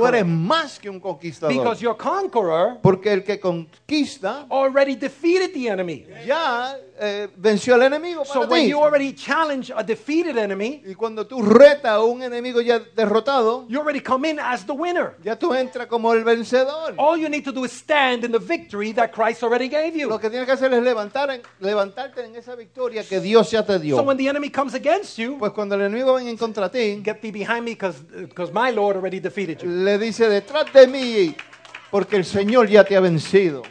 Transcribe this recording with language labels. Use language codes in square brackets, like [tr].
[es] Tú eres más que un conquistador. [en] Because your conqueror, [es] porque el que conquista, [en] already defeated the enemy. [es] Ya venció al enemigo. [en] So [es] ti. [en] When you already challenge a defeated enemy, [es] y cuando tú retas un enemigo ya derrotado, [en] you already come in as the winner. [es] Ya tú entras como el vencedor. [en] All you need to do is stand in the victory that Christ already gave you. [es] Lo que tienes que hacer es levantarte en esa victoria que Dios ya te dio. [en] So when the enemy comes against you, [es] pues cuando el enemigo viene en contra ti, [en] get thee behind me because my Lord already defeated you. [es] Le dice detrás de mí porque el Señor ya te ha vencido.